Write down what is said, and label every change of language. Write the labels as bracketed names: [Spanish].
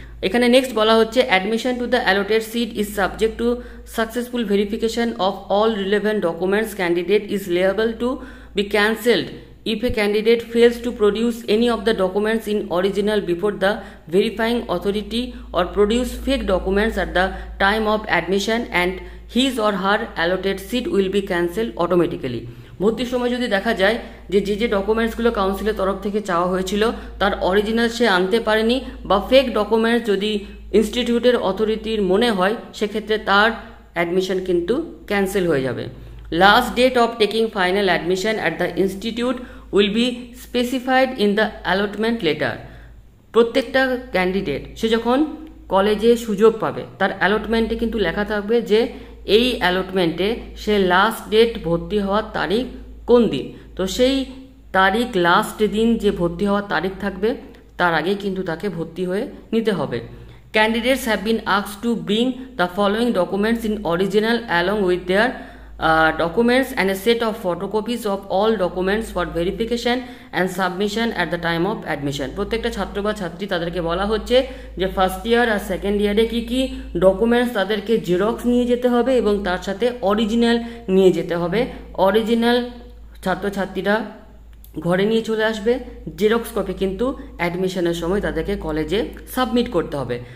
[English] এখানে নেক্সট বলা হচ্ছে admission to the allotted seat is subject to successful verification of all relevant documents candidate is liable to be cancelled if a candidate fails to produce any of the documents in original before the verifying authority or produce fake documents at the time of admission and his or her allotted seat will be cancelled automatically. [Bangla] ভর্তির সময় যদি দেখা যায় যে যে যে ডকুমেন্টসগুলো কাউন্সিলের তরফ থেকে চাওয়া হয়েছিল তার অরিজিনাল সে আনতে পারেনি বা ফেক ডকুমেন্টস যদি ইনস্টিটিউটের অথরিটির মনে হয় সেক্ষেত্রে তার অ্যাডমিশন কিন্তু ক্যান্সেল হয়ে যাবে। [English] Last date of taking final admission at the institute will be specified in the allotment letter. [Bangla] প্রত্যেকটা ক্যান্ডিডেট সে যখন কলেজে সুযোগ পাবে তার অ্যালটমেন্টে কিন্তু লেখা থাকবে যে এই অ্যালটমেন্টে সে লাস্ট ডেট ভর্তি হওয়ার তারিখ কোন দিন। তো সেই তারিখ লাস্ট দিন যে ভর্তি হওয়ার তারিখ থাকবে তার আগে কিন্তু তাকে ভর্তি হয়ে নিতে হবে। [English] Candidates have been asked to bring the following documents in original along with their documents and a set of photocopies of all documents for verification and submission at the time of admission. [Bangla] প্রত্যেকটা ছাত্র বা ছাত্রী তাদেরকে বলা হচ্ছে যে first year আর second ইয়ারে কী কী documents তাদেরকে জেরক্স নিয়ে যেতে হবে এবং তার সাথে অরিজিনাল নিয়ে যেতে হবে। অরিজিনাল ছাত্রছাত্রীরা ঘরে নিয়ে চলে আসবে, জেরক্স কপি কিন্তু অ্যাডমিশনের সময় তাদেরকে কলেজে সাবমিট করতে হবে।